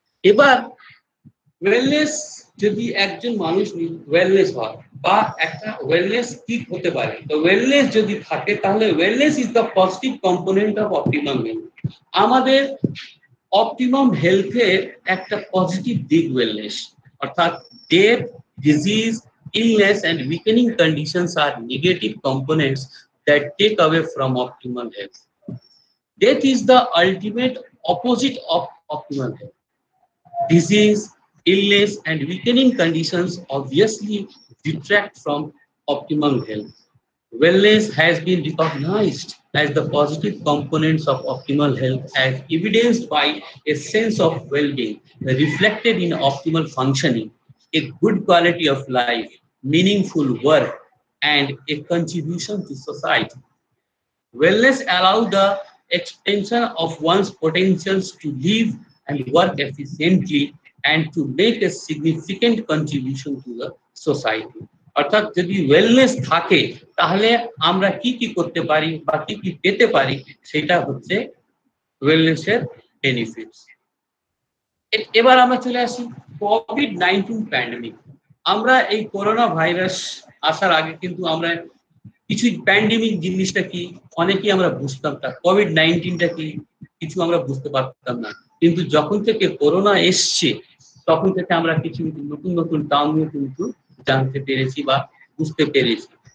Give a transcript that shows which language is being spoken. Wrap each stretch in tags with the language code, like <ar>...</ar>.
<bn>এবার ওয়েলনেস যদি একজন মানুষ ওয়েলনেস হয় বা একটা ওয়েলনেস কি হতে পারে তো ওয়েলনেস যদি থাকে তাহলে</bn> <en>wellness is the positive component of optimum health</en> <bn>আমাদের অপটিমাম হেলথের একটা পজিটিভ দিক ওয়েলনেস অর্থাৎ</bn> <en>Death disease illness and weakening conditions are negative components that take away from optimal health. Death is the ultimate opposite of optimal health. Disease, illness and weakening conditions obviously detract from optimal health. Wellness has been recognized as the positive components of optimal health as evidenced by a sense of well-being reflected in optimal functioning, a good quality of life, meaningful work and a contribution to society. Wellness allows the expansion of one's potentials to live and work efficiently and to make a significant contribution to the society.</en> <bn>অর্থাৎ যদি wellness থাকে তাহলে আমরা কি কি করতে পারি বা কি কি পেতে পারি সেটা হচ্ছে ওয়েলনেসের বেনিফিটস এবার আমরা চলে আসি COVID-19 প্যান্ডেমিক আমরা এই করোনা ভাইরাস আসার আগে কিন্তু আমরা কিছু প্যান্ডেমিক জিনিসটা কি অনেকেই আমরা বুঝতাম না COVID-19টা কি কিছু আমরা বুঝতে পারতাম না কিন্তু যখন থেকে করোনা এসছে তখন থেকে আমরা কিছু নতুন নতুন টার্ম নিয়ে কিন্তু জানতে পেরেছি বা বুঝতে পেরেছি</bn>